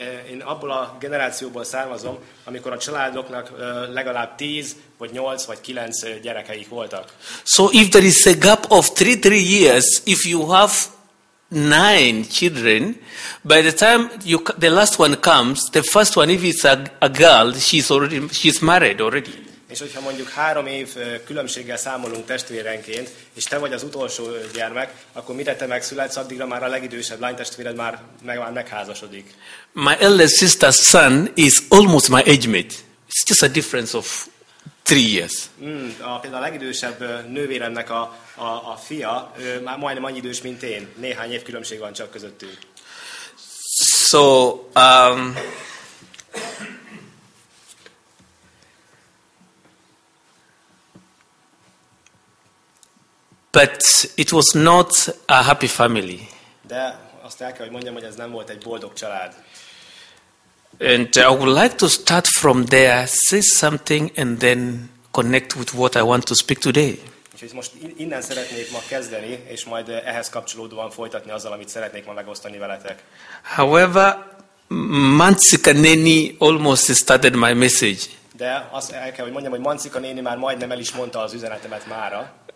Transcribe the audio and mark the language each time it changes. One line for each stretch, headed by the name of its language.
Hungarian: Én abból a generációból származom, amikor a családoknak legalább 10 vagy 8 vagy 9 gyerekeik voltak.
English: So if there is a gap of 3 years, if you have 9 children, by the time the last one comes, the first one, if it's a girl, she's married already.
Hungarian: És hogyha mondjuk 3 év különbséggel számolunk testvérenként, és te vagy az utolsó gyermek, akkor mire te megszületsz, addigra már a legidősebb lánytestvéred már megházasodik.
English: My eldest sister's son is almost my age mate. It's just a difference of 3 years.
Hungarian: Például a legidősebb nővéremnek a fia már majdnem annyi idős, mint én. Néhány év különbség van csak közöttünk.
English: So... But it was not a happy family.
Hungarian: De azt el kell, hogy mondjam, hogy ez nem volt egy boldog család.
English: And I would like to start from there, say something, and then connect with what I want to speak today.
Hungarian: Úgyhogy most innen szeretnék ma kezdeni, és majd ehhez kapcsolódóan folytatni azzal, amit szeretnék ma megosztani veletek.
English: However, Mancika néni almost started my message.
Hungarian: De azt el kell, hogy mondjam, hogy Mancika néni már majdnem el is mondta az üzenetemet mára.